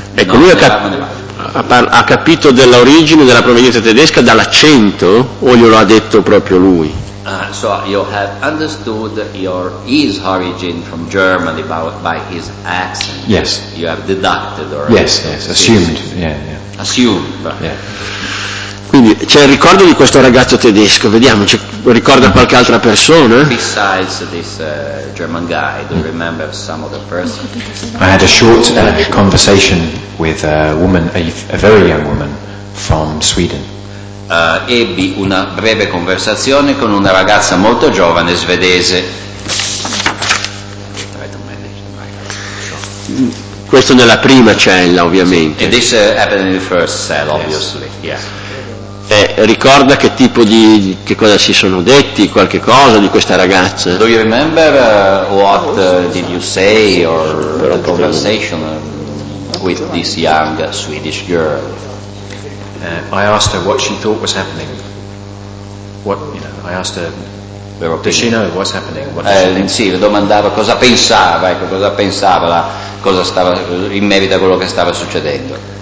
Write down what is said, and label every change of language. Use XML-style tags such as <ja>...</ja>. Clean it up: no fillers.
<it>Ecco, lui ha capito dell'origine, della provenienza tedesca dall'accento o glielo ha detto proprio lui?</it> <en>So you have understood his origin from Germany by his accent. Yes. You have deducted or yes, assumed. Yeah. Assumed.</en> <it>Quindi c'è il ricordo di questo ragazzo tedesco. Vediamo, ci ricorda qualche altra persona?</it> <en>Besides this German guy, do you remember some other person? I had a short conversation with a woman, a very young woman from Sweden.</en> <it>Ebbi una breve conversazione con una ragazza molto giovane svedese. Questo nella prima cella, ovviamente.</it> <en>And this happened in the first cell, obviously. Yes. Yeah.</en> <it>Ricorda che tipo di che cosa si sono detti, qualche cosa di questa ragazza?</it> <en>Do you remember what did you say or the conversation with this young Swedish girl? I asked her what she thought was happening. What, you know, I asked her. Does she know what's happening?</en> <it>Sì, le domandava cosa pensava, ecco, cosa pensava, la, cosa stava in merito a quello che stava succedendo.</it>